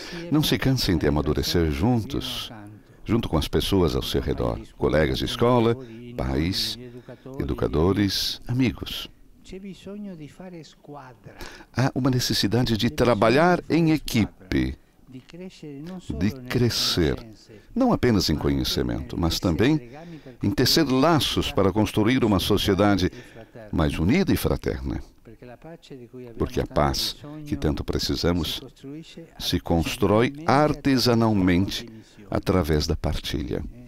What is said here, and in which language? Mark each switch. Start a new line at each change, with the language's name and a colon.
Portuguese: Não se cansem de amadurecer juntos, junto com as pessoas ao seu redor, colegas de escola, pais, educadores, amigos.
Italian: c'è bisogno di fare squadra.
Portuguese: Há uma necessidade de trabalhar em equipe, de crescer, não apenas em conhecimento, mas também em tecer laços para construir uma sociedade mais unida e fraterna. Porque a paz que tanto precisamos se constrói artesanalmente através da partilha.